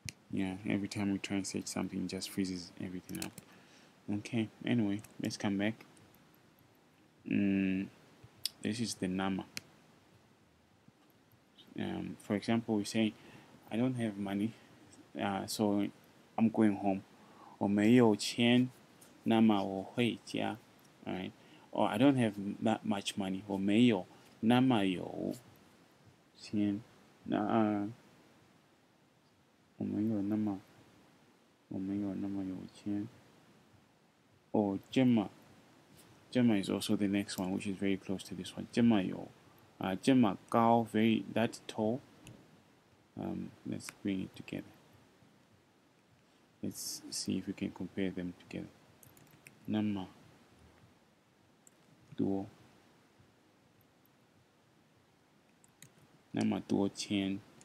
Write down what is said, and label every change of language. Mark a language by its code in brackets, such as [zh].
[en] Yeah, every time we translate something, it just freezes everything up. Okay, anyway, let's come back. This is the number. For example, we say, I don't have money, so I'm going home. [zh] 我没有钱,那么我回家, right? [en] Or I don't have that much money. [zh] 我没有那么有钱, 我没有那么有钱。哦，这么，这么 [en] is also the next one, which is very close to this one. [zh] 这么有，啊，这么高, [en] very that tall. Let's bring it together. Let's see if we can compare them together. [zh] 那么多，那么多钱。